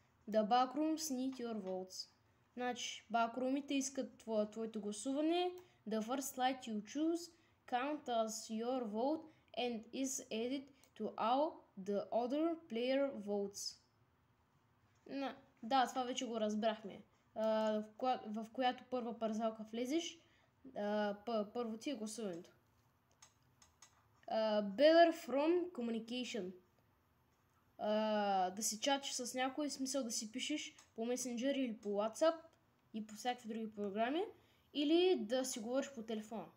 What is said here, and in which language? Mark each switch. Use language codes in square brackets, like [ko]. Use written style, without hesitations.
[en] The backrooms need your votes. [bg] Значи, backroomите искат твоето гласуване. [en] The first slide you choose count as your vote and is added to all the other player votes. [bg] Да, това вече го разбрахме. В която първа парзалка влезеш, първо ти е гласуването. [en] Better from communication. [bg] Да си чатиш с някой, смисъл да си пишеш по месенджер или по WhatsApp и по всякакви други програми, или да си говориш по телефона.